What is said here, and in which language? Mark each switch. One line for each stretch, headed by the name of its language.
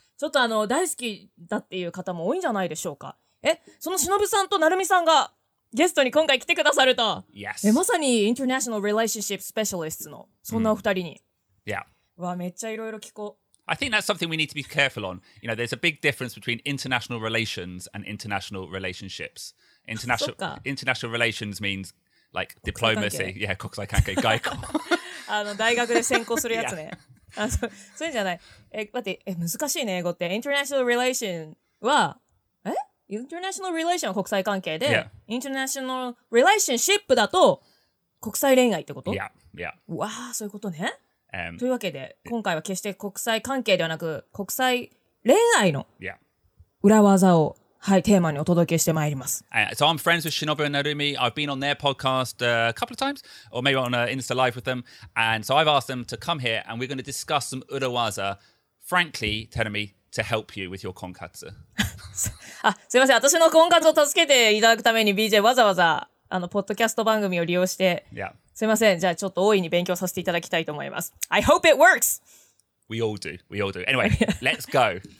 Japanese: ちょっとあの大好きだっていう方も多いんじゃないでしょうか。え、その Shinobu さんと Narumi さんがゲストに今回来てくださると。
English: Yes.
Japanese: え、まさに International Relationship Specialists のそんなお二人に。
English: Yeah.
Japanese: わ、めっちゃいろいろ聞こう。
English: I think that's something we need to be careful on. You know, there's a big difference between international relations and international relationships. International relations means like diplomacy.
Japanese: Yeah, 国際関係、外交。あの、大学で専攻するやつね。そうじゃない。え、待って、え、難しいね、英語って。 International relation は、え ?International relation は国際関係で、
English: yeah.
Japanese: international relationship だと国際恋愛ってこと
English: ?Yeah, yeah.
Japanese: わあ、そういうことね。というわけで、今回は決して国際関係ではなく、国際恋愛の裏技を、
English: yeah.
Japanese: はい、テーマにお届けしてまいります。
English: So I'm friends with Shinobu and Narumi. I've been on their podcast a couple of times, or maybe on Insta Live with them. And so I've asked them to come here, and we're going to discuss some 裏技, frankly, Terumi, to help you with your 婚活。
Japanese: あ、すいません。私の婚活を助けていただくために BJ わざわざ、あの、ポッドキャスト番組を利用して、
English: yeah.
Japanese: すいません。じゃあちょっと大いに勉強させていただきたいと思います。
English: I hope it works! We all do. We all do. Anyway, let's go.